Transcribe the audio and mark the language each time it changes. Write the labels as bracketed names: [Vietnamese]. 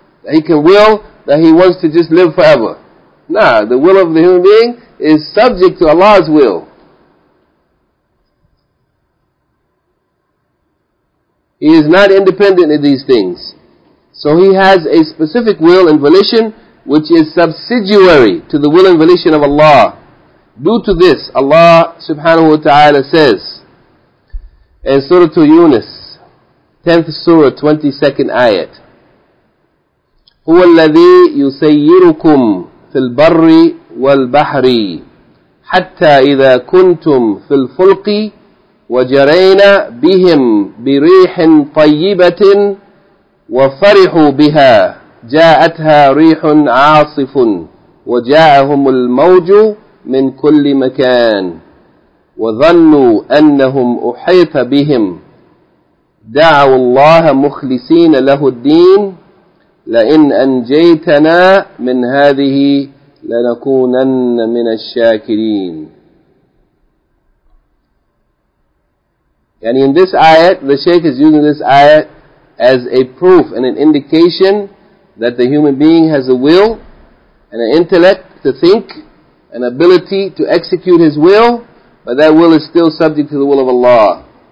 [English] He can will that he wants to just live forever. Nah, the will of the human being is subject to Allah's will. He is not independent in these things. So he has a specific will and volition which is subsidiary to the will and volition of Allah. Due to this, Allah subhanahu wa ta'ala says in Surah to Yunus, 10th Surah, 22nd Ayat, [Arabic] هُوَ الَّذِي يُسَيِّرُكُمْ فِي الْبَرِّ وَالْبَحْرِ حَتَّى إِذَا كُنْتُمْ فِي الْفُلْقِ وَجَرَيْنَا بِهِمْ بِرِيحٍ طَيِّبَةٍ وَفَرِحُوا بِهَا جَاءَتْهَا رِيحٌ عَاصِفٌ وَجَاءَهُمُ الْمَوْجُ مِنْ كُلِّ مَكَانٍ وَظَنُّوا أَنَّهُمْ أُحِيطَ بِهِمْ دَعَوُا اللَّهَ مُخْلِصِينَ لَهُ الدِّينَ لَئِنْ أَنْجَيْتَنَا مِنْ هَذِهِ لَنَكُونَنَّ مِنَ الشَّاكِرِينَ. [English] And in this ayat, the Shaykh is using this ayat as a proof and an indication that the human being has a will and an intellect to think, an ability to execute his will, but that will is still subject to the will of Allah.